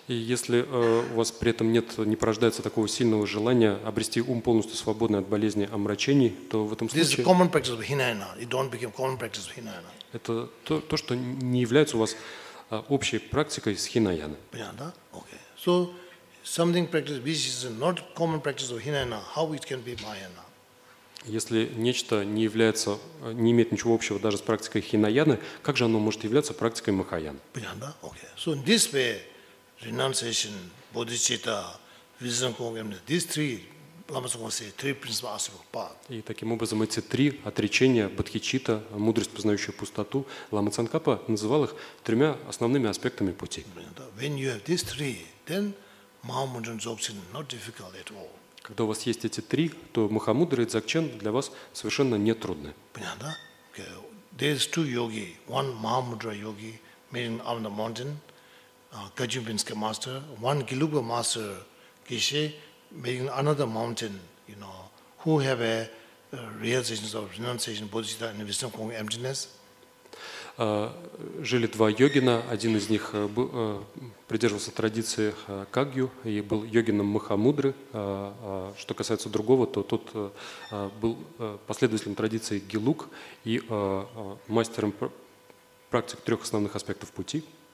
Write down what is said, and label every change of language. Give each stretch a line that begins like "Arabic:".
Russian: И если у вас при этом нет, не порождается такого сильного желания обрести ум полностью свободный от болезни омрачений, то в этом случае.
English: This is common practice of Hinayana. You don't become common practice of Hinayana.
Russian: Это то, что не является у вас общей практикой с Хинаяны. Понятно, да? Okay.
English: So something practice which is not common practice of Hinayana, how it can be Mahayana?
Russian: Если нечто не является, не имеет ничего общего даже с практикой Хинаяны, как же оно может являться практикой Махаяны? Понятно, да? Okay.
English: So in this way, renunciation, bodhicitta, wisdom cognition, these three, Lama Tsongkhapa says, three principles of asubha path.
Russian: И таким образом эти три отречения, бодхичитта, мудрость, познающая пустоту, Лама Цанкапа называл их тремя основными аспектами пути. Понятно, да?
English: When you have these three, then Mahamudra and Dzogchen not difficult at all.
Russian: Когда у вас есть эти три, то Махамудра и Дзогчен для вас совершенно не трудны. Понятно, да?
English: Okay. There's two yogi. One Mahamudra yogi, meeting on the mountain, Gajubinska master. One Gelugpa master, Geshe, meeting another mountain, you know, who have a realization of renunciation, bodhicitta, and wisdom called emptiness.
Russian: Жили два йогина, один из них придерживался традиции Кагью и был йогином Махамудры. Что касается другого, то тот был последователем традиции Гелуг и мастером практик трех основных аспектов пути.